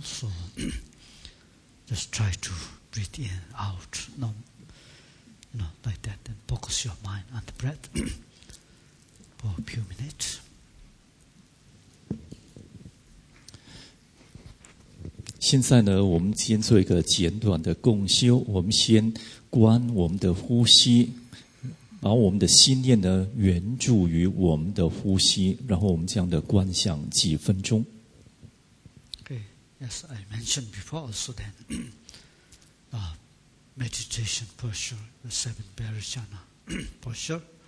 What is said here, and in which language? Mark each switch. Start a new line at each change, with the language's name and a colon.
English: So just try to breathe in, out, like that, and focus your mind on the breath for a few minutes.
Chinese: 现在呢，我们先做一个简短的共修。我们先观我们的呼吸，把我们的心念呢圆注于我们的呼吸，然后我们这样的观想几分钟。
English: Okay, yes, I mentioned before also that meditation posture, the seven Parijana posture.